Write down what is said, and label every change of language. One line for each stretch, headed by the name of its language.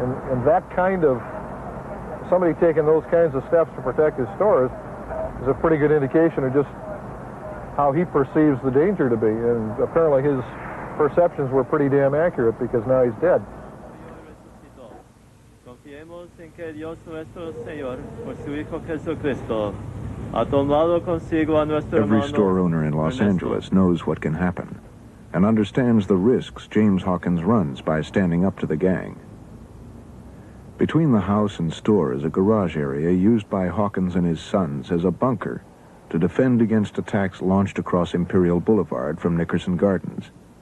English: And that kind of somebody taking those kinds of steps to protect his stores is a pretty good indication of just how he perceives the danger to be. And apparently his perceptions were pretty damn accurate, because now he's dead.
Spanish: Confiemos en que Dios nuestro Señor, por su Hijo Jesucristo, ha tomado consigo a nuestro.
English: Every store owner in Los Angeles knows what can happen and understands the risks James Hawkins runs by standing up to the gang. Between the house and store is a garage area used by Hawkins and his sons as a bunker to defend against attacks launched across Imperial Boulevard from Nickerson Gardens.